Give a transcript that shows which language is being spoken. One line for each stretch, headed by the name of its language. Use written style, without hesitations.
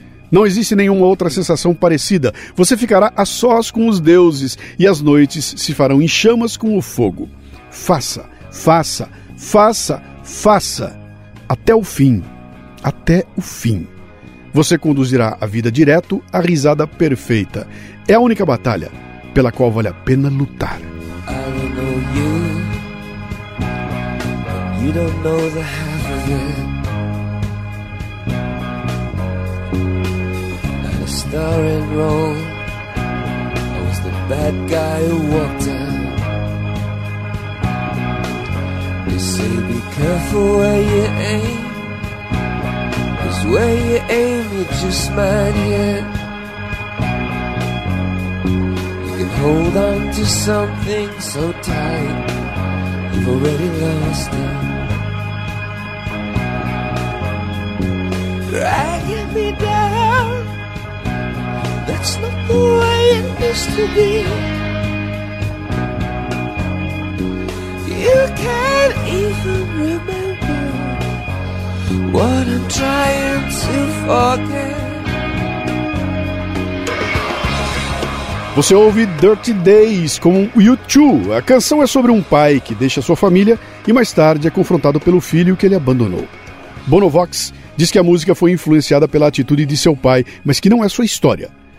Portuguese: Não existe nenhuma outra sensação parecida. Você ficará a sós com os deuses e as noites se farão em chamas com o fogo. Faça, faça, faça, faça. Até o fim. Até o fim. Você conduzirá a vida direto à risada perfeita. É a única batalha pela qual vale a pena lutar.
English: I know you, but you don't know the half of it. And a star in Rome, I was the bad guy who walked in. They say be careful where you aim. Where you aim, you just might hit. You can hold on to something so tight, you've already lost it. Dragging me down, that's not the way it used to be. You can't even remember what I'm trying to forget.
Portuguese: Você ouve Dirty Days com U2. A canção é sobre um pai que deixa sua família e mais tarde é confrontado pelo filho que ele abandonou. Bonovox diz que a música foi influenciada pela atitude de seu pai, mas que não é sua história.